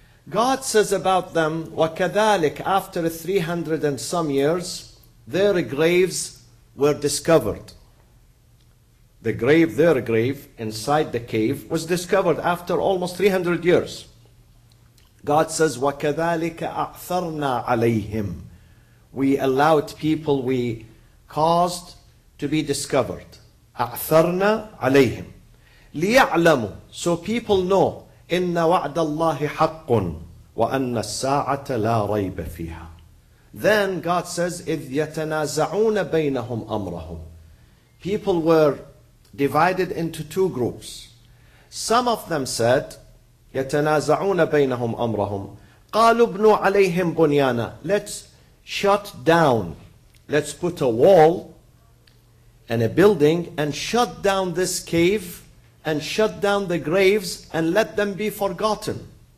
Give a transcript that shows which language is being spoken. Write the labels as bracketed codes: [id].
[en] God says about them, [ar] وَكَذَلِكَ, [en] after 300 and some years, their graves were discovered. The grave, their grave, inside the cave, was discovered after almost 300 years. God says, [ar] وَكَذَلِكَ أَعْثَرْنَا عَلَيْهِمْ. [en] We allowed people, we caused to be discovered. [ar] أَعْثَرْنَا عَلَيْهِمْ. لِيَعْلَمُوا. [en] So people know, [ar] إِنَّ وَعْدَ اللَّهِ حَقٌّ. وَأَنَّ السَّاعَةَ لَا رَيْبَ فِيهَا. [en] Then God says, [ar] إِذْ يَتَنَازَعُونَ بَيْنَهُمْ أَمْرَهُمْ. [en] People were divided into two groups. Some of them said, [ar] يَتَنَازَعُونَ بَيْنَهُمْ أَمْرَهُمْ. قَالُوا ابْنُوا عَلَيْهِمْ بُنْيَانًا. [en] Let's shut down. Let's put a wall and a building and shut down this cave and shut down the graves and let them be forgotten.